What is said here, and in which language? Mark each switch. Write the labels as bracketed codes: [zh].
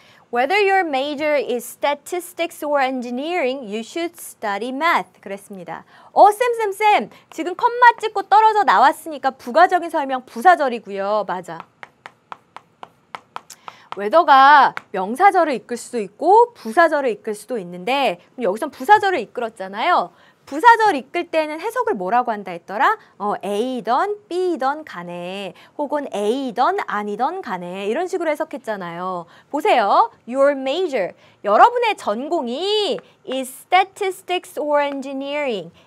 [en] 'Whether your major is statistics or engineering, you should study math.' [ko] 그랬습니다. 쌤. 지금 콤마 찍고 떨어져 나왔으니까 부가적인 설명 부사절이고요. 맞아. 웨더가 명사절을 이끌 수도 있고 부사절을 이끌 수도 있는데 그럼 여기선 부사절을 이끌었잖아요. 부사절 이끌 때는 해석을 뭐라고 한다 했더라? A든 B든 간에 혹은 A든 아니든 간에 이런 식으로 해석했잖아요. 보세요. [en] Your major, [ko] 여러분의 전공이 [en] is statistics or engineering.